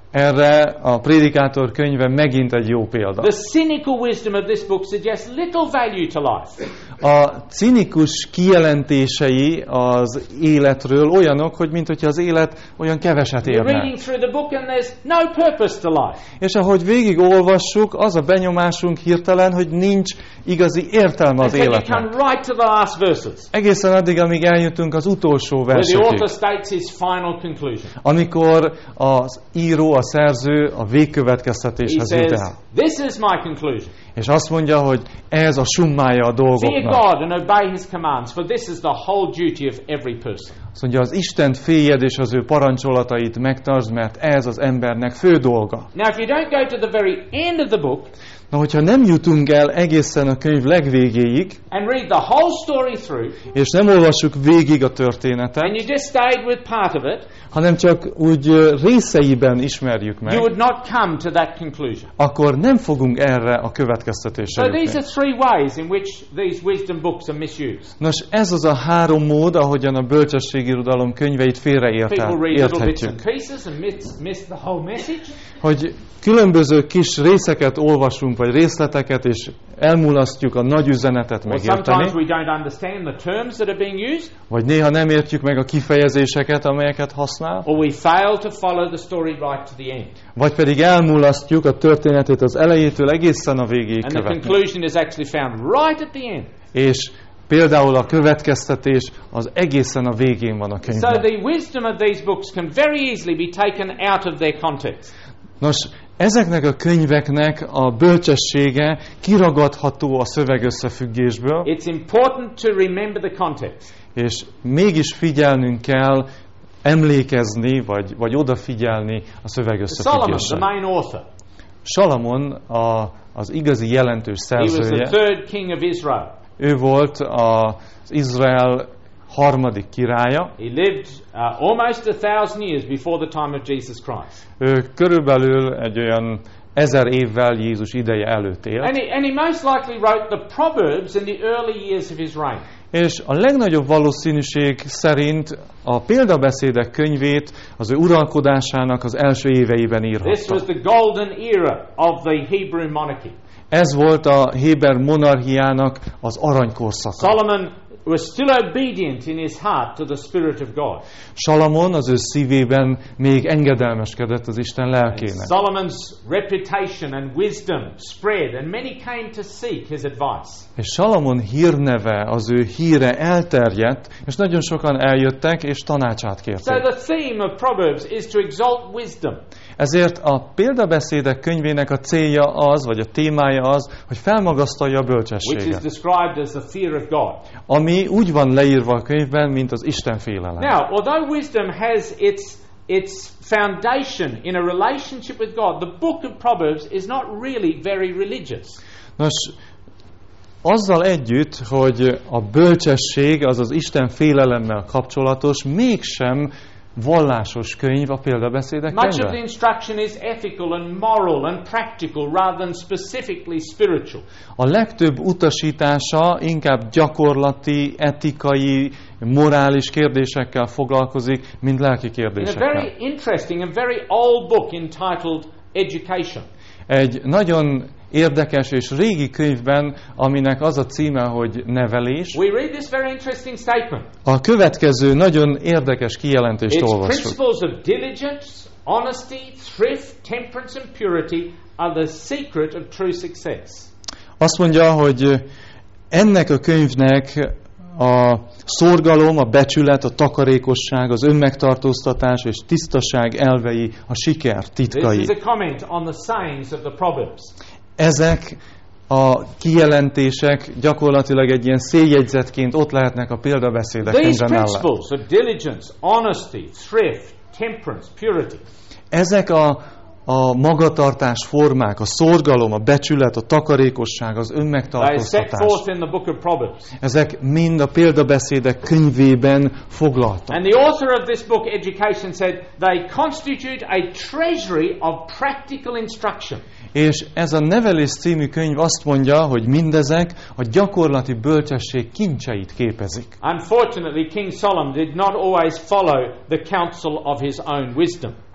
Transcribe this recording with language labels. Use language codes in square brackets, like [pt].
[hu] Erre a Prédikátor könyve megint egy jó példa. [en] The cynical wisdom of this book suggests little value to life. [hu] A cinikus kijelentései az életről olyanok, hogy mintha az élet olyan keveset érne. [en] You're reading through the book and there's no purpose to life. [hu] És ahogy végig olvassuk, az a benyomásunk hirtelen, hogy nincs igazi értelme az életnek. [en] And you come right to the last verses. [hu] Egészen addig, amíg eljutunk az utolsó versekig. [en] Where the author states his final conclusion. [hu] Amikor az író, a szerző a végkövetkeztetéshez jut el. [en] This is my conclusion. [hu] És azt mondja, hogy ez a summája a dolgoknak. [en] Fear God and obey his commands, for this is the whole duty of every person. [hu] Azt mondja, az Istent féljed és az ő parancsolatait megtartsd, mert ez az embernek fő dolga. [en] Now if you don't go to the very end of the book, [hu] na, hogyha nem jutunk el egészen a könyv legvégéig, [en] and read the whole story through, [hu] és nem olvassuk végig a történetet, [en] and you just stayed with part of it, [hu] hanem csak úgy részeiben ismerjük meg, [en] you would not come to that conclusion. [hu] Akkor nem fogunk erre a következtetésre jutni. [en] So these are three ways in which these wisdom books are misused. [hu] Nos, ez az a három mód, ahogyan a bölcsességirodalom könyveit félreérthetjük. [en] People read little bits and pieces and miss the whole message. [hu] Hogy különböző kis részeket olvasunk, vagy részleteket, és elmulasztjuk a nagy üzenetet megérteni. [en] Sometimes we don't understand the terms that are being used. [hu] Vagy néha nem értjük meg a kifejezéseket, amelyeket használ. [en] Or we fail to follow the story right to the end. [hu] Vagy pedig elmulasztjuk a történetet az elejétől egészen a végéig követni. [en] And the conclusion is actually found right at the end. [hu] És például a következtetés az egészen a végén van a könyvben. [en] So the wisdom of these books can very easily be taken out of their context. [hu] Nos, ezeknek a könyveknek a bölcsessége kiragadható a szöveg összefüggésből. [en] It's important to remember the context. [hu] És mégis figyelnünk kell emlékezni, vagy odafigyelni a szöveg összefüggésre. [en] Solomon, the main author. [hu] Salamon az igazi jelentős szerzője. [en] He was the third king of Israel. [hu] Ő volt az Izrael harmadik királya. [en] He lived almost 1,000 years before the time of Jesus Christ. [hu] Ő körülbelül egy olyan 1000 évvel Jézus ideje előtt élt. [en] And he most likely wrote the Proverbs in the early years of his reign. [hu] És a legnagyobb valószínűség szerint a példabeszédek könyvét az ő uralkodásának az első éveiben írhatta. [en] This was the golden era of the Hebrew monarchy. [hu] Ez volt a héber monarchiának az aranykorszaka. [en] Solomon was still obedient in his heart to the Spirit of God. [hu] Salomon az ő szívében még engedelmeskedett az Isten lelkének. [en] Solomon's reputation and wisdom spread, and many came to seek his advice. [hu] És Salomon hírneve, az ő híre elterjedt, és nagyon sokan eljöttek és tanácsát kérték. [en] So the theme of Proverbs is to exalt wisdom. [hu] Ezért a példabeszédek könyvének a célja az, vagy a témája az, hogy felmagasztalja a bölcsességet. [en] Which is described as the fear of God. [hu] Ami úgy van leírva a könyvben, mint az Isten félelem. [en] Now, although wisdom has its foundation in a relationship with God, the book of Proverbs is not really very religious. [hu] Nos, azzal együtt, hogy a bölcsesség az Isten félelemmel kapcsolatos, mégsem vallásos könyv a példabeszédek könyve. [en] Much of the instruction is ethical and moral and practical rather than specifically spiritual. [hu] A legtöbb utasítása inkább gyakorlati, etikai, morális kérdésekkel foglalkozik, mint lelki kérdésekkel. [en] In a very interesting and very old book entitled Education. [hu] Egy nagyon érdekes és régi könyvben, aminek az a címe, hogy Nevelés. [en] We read this very interesting statement. [hu] A következő nagyon érdekes kijelentést olvassuk. [en] Its principles of diligence, honesty, thrift, temperance and purity are the secret of true success. [hu] Azt mondja, hogy ennek a könyvnek a szorgalom, a becsület, a takarékosság, az önmegtartóztatás és tisztaság elvei, a siker titkai. [en] This is a comment on the sayings of the Proverbs. [hu] Ezek a kijelentések gyakorlatilag egy ilyen széljegyzetként ott lehetnek a példabeszédek könyve mellett. [en] These principles of diligence, honesty, thrift, temperance, purity. [hu] Ezek a magatartás formák, a szorgalom, a becsület, a takarékosság, az önmegtartóztatás. Ezek mind a példabeszédek könyvében foglaltak. [en] And the author of this book, Education, said they constitute a treasury of practical instruction. [hu] És ez a Nevelés című könyv azt mondja, hogy mindezek a gyakorlati bölcsesség kincseit képezik. [en] Unfortunately, King Solomon did not always follow the counsel of his own wisdom.